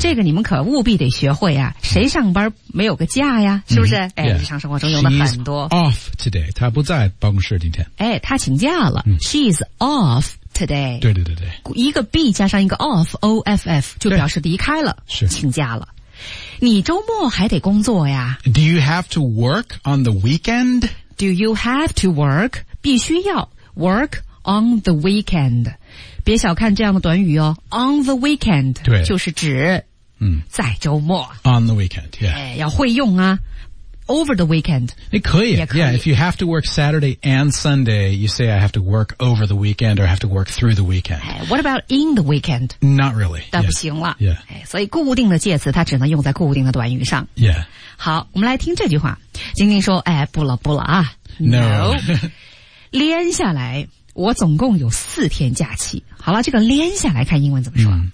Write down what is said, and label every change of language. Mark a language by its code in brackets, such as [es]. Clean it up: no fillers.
[zh] 这个你们可务必得学会啊谁上班没有个假呀是不是、哎 [en] yeah. [zh] 日常生活中用的很多 [en] she's off today [zh] 她不在办公室今天哎，她请假了、 [en] she's off today [zh] 对对对对一个 be 加上一个 off O-F-F 就表示离开了是请假了你周末还得工作呀 [en] Do you have to work on the weekend? Do you have to work? [zh] 必须要 [en] work on the weekend [zh] 别小看这样的短语哦 [en] on the weekend [zh] 对就是指在周末 [en] on the weekend、yeah. [zh] 哎、要会用啊 [en] over the weekend [zh] 你可以, 也可以 [en] yeah, if you have to work Saturday and Sunday you say I have to work over the weekend or I have to work through the weekend、哎、What about in the weekend? Not really [zh] 那不行了 [en] yeah, yeah. [zh] 所以固定的介词它只能用在固定的短语上。 [en] Yeah. [zh] 好我们来听这句话。晶晶说哎不了不了啊。 [en] No. [zh] 连下来我总共有四天假期。好了这个连下来看英文怎么说。